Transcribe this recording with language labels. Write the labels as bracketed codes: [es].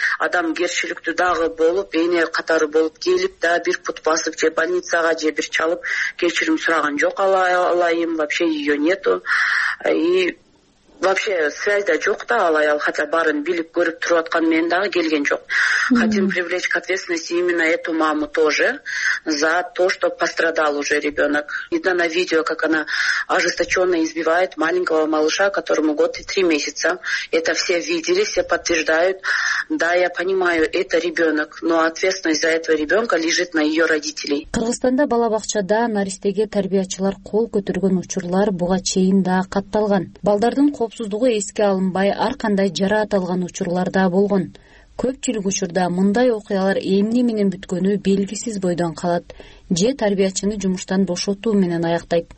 [ky] Адам кершиликтүү дагы болуп, эне катары болуп келип да бир пут басып же больницага же бир чалып кечирим сураган жок алайым, [ru] вообще её нету. И вообще связь [ky] да жок да ал аял, [ru] хотя [ky] баарын билип көрүп туруп аткан мен дагы келген жок. [ru] Хотим привлечь к ответственности именно эту маму тоже за то, что пострадал уже ребенок. Видно на видео, как она ожесточенно избивает маленького малыша, которому 1 год и 3 месяца. Это все видели, все подтверждают. Да, я понимаю, это ребенок, но ответственность за этого ребенка лежит на ее родителей. [ky] Кыргызстанда бала бакчада наристеге тарбиячылар кол көтүргөн учурлар буга чейин да катталган. Балдардын коопсуздугу эске алынбай, ар кандай жараат алган учурларда болгон. Көпчүлүк учурда мындай окуялар эмне менен бүткөнү белгисиз бойдон калат же тарбиячыны жумуштан бошотуу менен аяктайт.